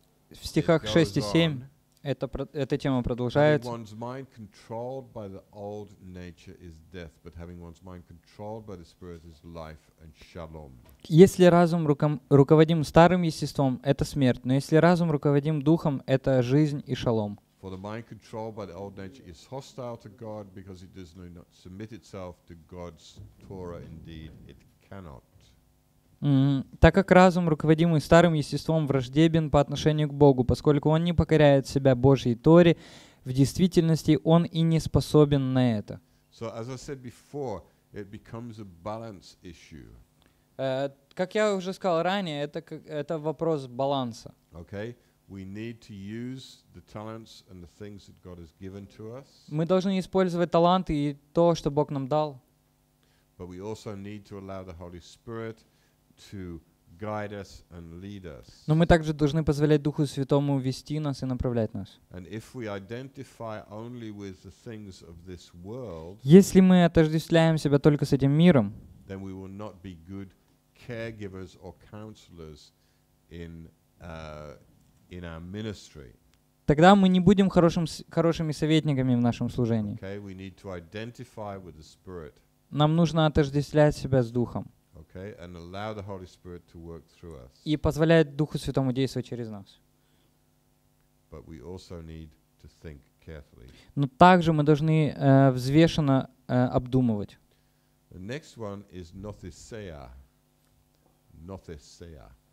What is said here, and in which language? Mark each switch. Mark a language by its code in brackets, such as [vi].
[ru] в стихах 6 и 7 эта тема продолжается. [en] One's mind controlled by the old nature is death, but having one's mind controlled by the Spirit is life and shalom. [ru] Если разум руководим старым естеством, это смерть, но если разум руководим духом, это жизнь и шалом. [en] For the mind controlled by the old nature is hostile to God because it does not submit itself to God's Torah. Indeed, it cannot. [ru] Так как разум, руководимый старым естеством, враждебен по отношению к Богу, поскольку он не покоряет себя Божьей Торе, в действительности он и не способен на это. [en] So, as I said before, it becomes a balance issue. [ru] Как я уже сказал ранее, это вопрос баланса. [en] Okay. We need to use the talents and the things that God has given to us. [ru] Мы должны использовать таланты и то, что Бог нам дал. [en] But we also need to allow the Holy Spirit to guide us and lead us. [ru] Но мы также должны позволять Духу Святому вести нас и направлять нас. [en] And if we identify only with the things of this world, [ru] если мы отождествляем себя только с этим миром, [en] then we will not be good caregivers or counselors in our ministry. [ru] Тогда мы не будем хорошими советниками в нашем служении. [en] Okay, we need to identify with the Spirit. [ru] Нам нужно отождествлять себя с Духом. [en] Okay, and allow the Holy Spirit to work through us. [ru] И позволять Духу Святому действовать через нас. [en] But we also need to think carefully. [ru] Но также мы должны взвешенно обдумывать. [en] The next one is nothesia. Nothesia.